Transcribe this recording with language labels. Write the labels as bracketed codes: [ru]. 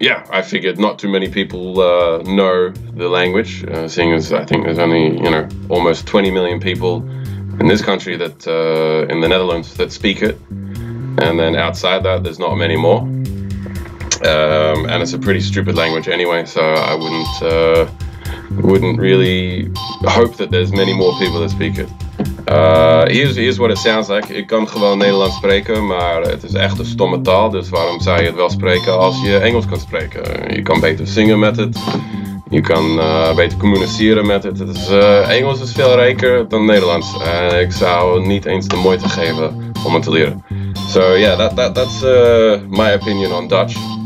[en] I figured not too many people know the language, seeing as I think there's only, you know, almost 20 million people in this country that, in the Netherlands, that speak it. And then outside that, there's not many more. And it's a pretty stupid language anyway, so I wouldn't really hope that there's many more people that speak it. Here's what it sounds like. [nl] Ik kan gewoon Nederlands spreken, maar het is echt een stomme taal. Dus waarom zou je het wel spreken als je Engels kan spreken? Je kan beter zingen met het. Je kan beter communiceren met het. Het is, Engels is veel rijker dan Nederlands. En ik zou niet eens de moeite geven om het te leren. [en] So yeah, that's my opinion on Dutch.